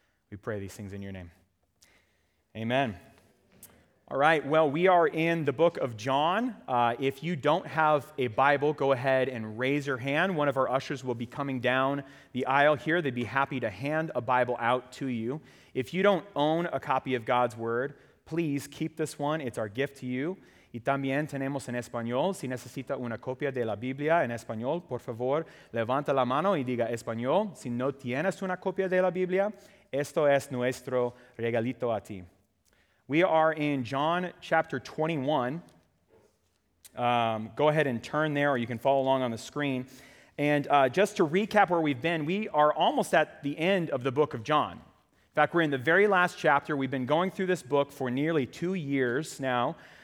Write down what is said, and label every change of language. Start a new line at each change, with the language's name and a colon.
English: We pray these things in your name. Amen. All right, well, we are in the book of John. If you don't have a Bible, go ahead and raise your hand. One of our ushers will be coming down the aisle here. They'd be happy to hand a Bible out to you. If you don't own a copy of God's Word, please keep this one. It's our gift to you.
Spanish: Y también tenemos en español. Si necesita una copia de la Biblia en español, por favor, levanta la mano y diga español. Si no tienes una copia de la Biblia, esto es nuestro regalito a ti.
English: We are in John chapter 21. Go ahead and turn there, or you can follow along on the screen. And just to recap where we've been, we are almost at the end of the book of John. In fact, we're in the very last chapter. We've been going through this book for nearly 2 years now.